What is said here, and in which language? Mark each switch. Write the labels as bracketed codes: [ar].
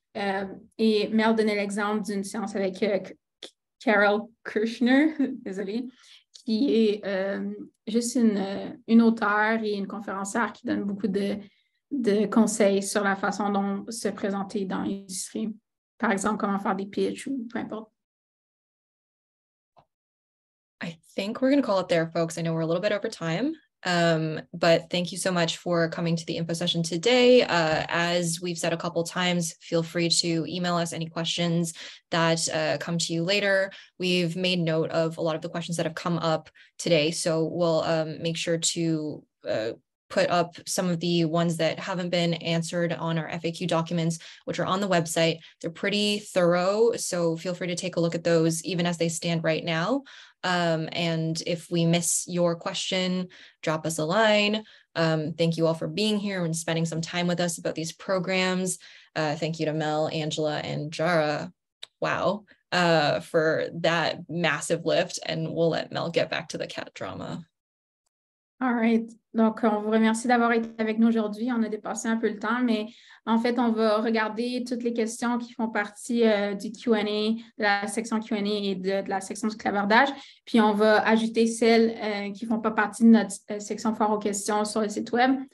[fr] Et Mel donnait l'exemple d'une séance avec Carol Kushner, désolée, qui est juste une auteure et une conférencière qui donne beaucoup de conseils sur la façon dont se présenter dans l'industrie. Par exemple, comment faire des pitchs ou peu importe. [en] I think we're going to call it there, folks. I know we're a little bit over time. But thank you so much for coming to the info session today. As we've said a couple times, feel free to email us any questions that come to you later. We've made note of a lot of the questions that have come up today, so we'll make sure to put up some of the ones that haven't been answered on our FAQ documents, which are on the website. They're pretty thorough, so feel free to take a look at those even as they stand right now. And if we miss your question, drop us a line. Thank you all for being here and spending some time with us about these programs. Thank you to Mel, Angela, and Jara. Wow, for that massive lift. And we'll let Mel get back to the cat drama. All right. [fr] Donc, on vous remercie d'avoir été avec nous aujourd'hui. On a dépassé un peu le temps, mais en fait, on va regarder toutes les questions qui font partie du Q&A, de la section Q&A et de la section du clavardage. Puis, on va ajouter celles qui ne font pas partie de notre section foire aux questions sur le site web.